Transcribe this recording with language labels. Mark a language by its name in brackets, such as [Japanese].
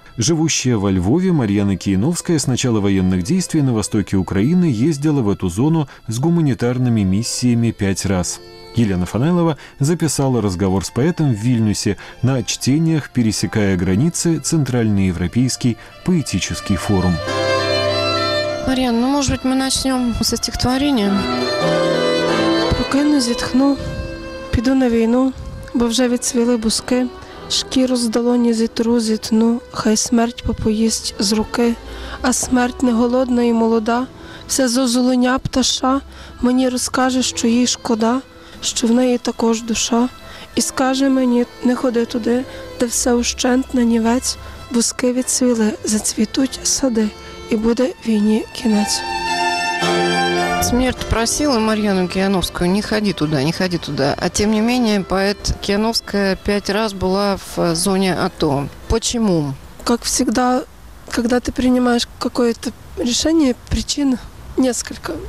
[Russian] Живущая во Львове, Марьяна Кияновская с начала военных действий на востоке Украины ездила в эту зону с гуманитарными миссиями 5 раз. Елена Фанайлова записала разговор с поэтом в Вильнюсе на чтениях «Пересекая границы. Центральноевропейский поэтический форум». Марьяна, ну, может быть, мы начнем со стихотворения? [Ukrainian] «Прокину, зітхну, піду на війну, бо вже відцвіли буски. Шкіру з долоні зітру, зітну, хай смерть попоїсть з руки. А смерть не голодна і молода, все зозулення пташа. Мені розкаже, що їй шкода, що в неї також душа. І скаже мені, не ходи туди, де все ущент на нівець. Буски відцвіли, зацвітуть сади, і буде війні кінець». [Russian] Смерть просила Марьяну Кияновскую: не ходи туда, не ходи туда. А тем не менее, поэт Кияновская 5 раз была в зоне АТО. Почему? Как всегда, когда ты принимаешь какое-то решение, причин несколько.